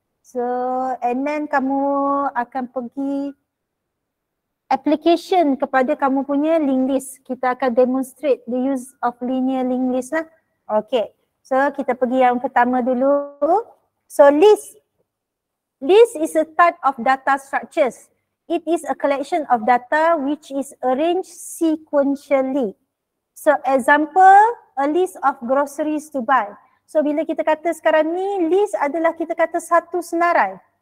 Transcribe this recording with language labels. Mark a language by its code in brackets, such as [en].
[ms] So and then kamu akan pergi application kepada kamu punya linked list. Kita akan demonstrate [en] the use of linear linked list [ms] lah. Okay. So kita pergi yang pertama dulu. [en] So list. List is a type of data structures. It is a collection of data which is arranged sequentially. So example, a list of groceries to buy. [ms] So bila kita kata sekarang ni, list adalah kita kata satu senarai.